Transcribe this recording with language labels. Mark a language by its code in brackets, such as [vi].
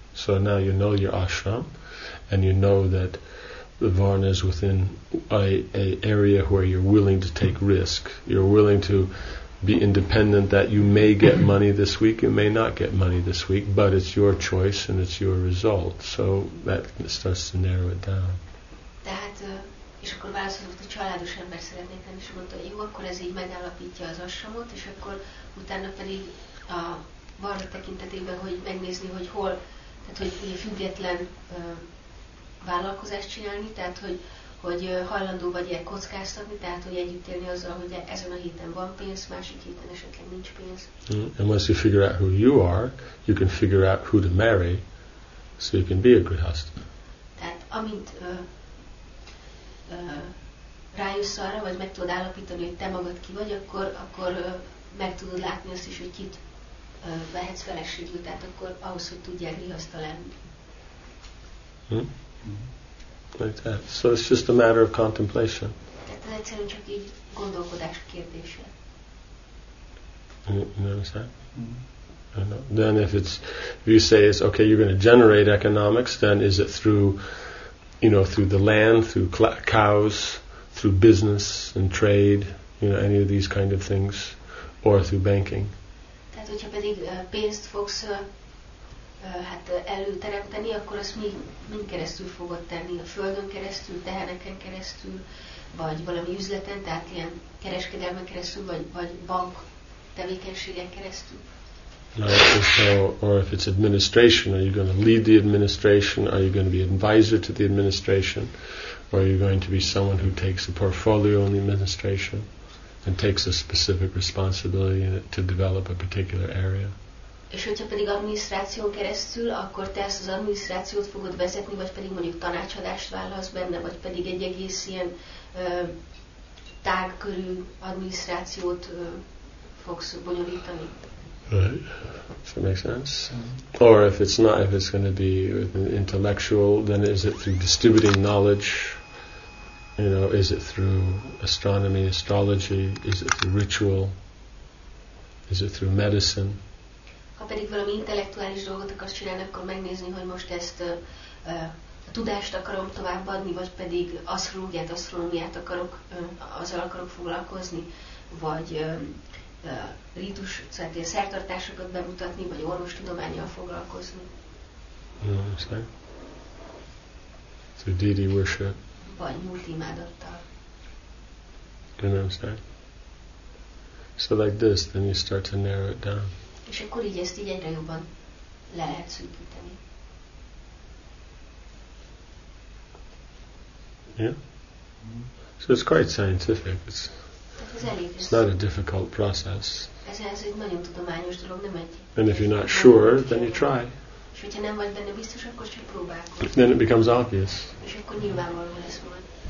[en] So now you know your ashram, and you know that the varna is within a area where you're willing to take risk. You're willing to be independent, that you may get money this week, you may not get money this week, but it's your choice and it's your result. So that starts to narrow it down. [hu] Tehát, és akkor válaszolok, hogy családos ember szeretnék lenni, és mondta, hogy jó, akkor ez így megállapítja az ashramot, és akkor utána pedig a varna tekintetében, hogy megnézni, hogy hol, tehát hogy független vállalkozást csinálni, tehát hogy hajlandó vagy-e kockáztatni, tehát hogy együtt élni azzal, hogy ezen a héten van pénz, másik héten esetleg nincs pénz. [en] And once you figure out who you are, you can figure out who to marry, so you can be a grihastha. [hu] Tehát amint rájössz arra, vagy meg tudod állapítani, hogy te magad ki vagy, akkor meg tudod látni azt is, hogy kit vehetsz feleségül, tehát akkor ahhoz, hogy tudjál grihastha lenni. [en] Like that. So it's just a matter of contemplation. [hu] Tehát egyszerűen csak így gondolkodás kérdése. [en] You know what I'm saying? Then if you say it's okay, you're going to generate economics, then is it through, you know, through the land, through cows, through business and trade, you know, any of these kind of things, or through banking? [hu] Tehát hogyha pedig pénzt fogsz előteremteni, akkor azt mind keresztül fogod tenni, a földön keresztül, teheneken keresztül, vagy valami üzleten, tehát ilyen kereskedelmen keresztül, vagy bank tevékenységen keresztül. [en] Or if it's administration, are you going to lead the administration, are you going to be advisor to the administration, or are you going to be someone who takes a portfolio in the administration and takes a specific responsibility in it to develop a particular area? [hu] És hogyha pedig adminisztráción keresztül, akkor te ezt az adminisztrációt fogod vezetni, vagy pedig mondjuk tanácsadást válasz benne, vagy pedig egy egész ilyen tág körű adminisztrációt fogsz bonyolítani. [en] Right. That makes sense. Or if it's not, if it's going to be intellectual, then is it through distributing knowledge? You know, is it through astronomy, astrology? Is it through ritual? Is it through medicine? [hu] Ha pedig valami intellektuális dolgot akarsz csinálni, akkor megnézni, hogy most ezt a tudást akarom továbbadni, vagy pedig asztrológiát, asztronómiát akarok, azzal akarok foglalkozni, vagy rítus, tehát ilyen szertartásokat bemutatni, vagy orvostudománnyal foglalkozni. [en] Through deity worship. [hu] Vagy múlti imádattal. [en] You know what I'm saying? So like this, then you start to narrow it down. [hu] És akkor így ezt így egyre jobban le lehet szűkíteni. [en] Yeah. So it's quite scientific. It's, it's not a difficult process. [hu] Ez egy nagyon tudományos dolog, nem egy. [en] And if you're not sure, then you try. [hu] És hogyha nem vagy benne biztos, akkor csak próbálkozz. [en] Then it becomes obvious. [hu] És akkor nyilvánvaló lesz majd.